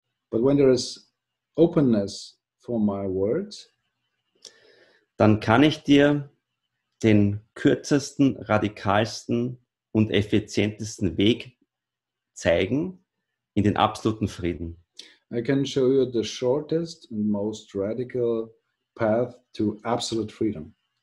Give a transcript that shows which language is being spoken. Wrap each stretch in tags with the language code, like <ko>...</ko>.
<en>but when there is openness for my words,</en> <de>dann kann ich dir den kürzesten, radikalsten und effizientesten Weg zeigen in den absoluten Frieden.</de> <en>I can show you the shortest and most radical path to absolute freedom.</en>